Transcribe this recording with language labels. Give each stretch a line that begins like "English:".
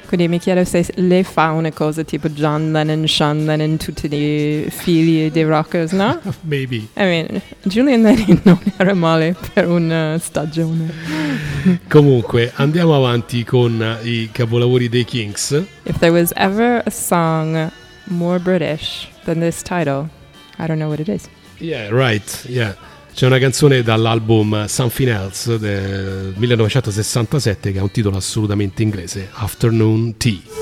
Italian: Quindi mi chiedo se lei fa una cosa tipo John Lennon, Sean Lennon, tutti i figli dei rockers, no?
English: Maybe. I mean,
Italian: Julian Lennon non era male per una stagione. Comunque, andiamo avanti con i capolavori dei Kinks.
English: If there was ever a song more British than this title, I don't know what it is. Yeah, right, yeah.
Italian: C'è una canzone dall'album Something Else del 1967 che ha un titolo assolutamente inglese, Afternoon Tea.